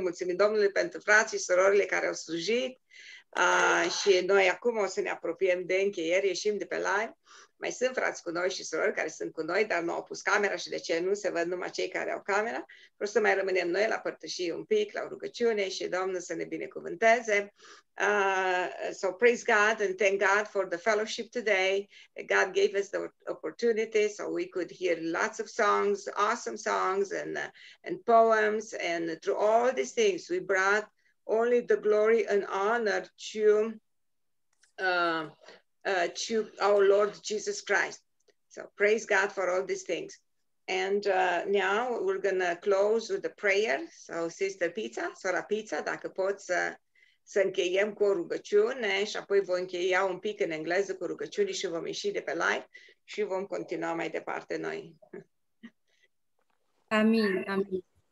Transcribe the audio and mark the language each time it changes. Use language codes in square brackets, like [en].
[ro] Mulțumim Domnului pentru frații și surorile care au slujit. Și noi acum o să ne apropiem de încheiere, ieșim de pe live. Mai sunt frați cu noi și surori care sunt cu noi, dar nu au pus camera și de ce nu se văd numai cei care au camera. Vreau să mai rămânem noi la părtășie un pic, la rugăciune și Domnul să ne binecuvânteze. [en] So praise God and thank God for the fellowship today. God gave us the opportunity so we could hear lots of songs, awesome songs and poems. And through all these things, we brought only the glory and honor to our Lord Jesus Christ. So praise God for all these things. And now we're gonna close with a prayer. [ro] So Sister Pizza, Sora Pizza, dacă poți să încheiem cu o rugăciune și apoi voi încheia un pic în engleză cu rugăciune și vom ieși de pe live și vom continua mai departe noi. Amin, amin.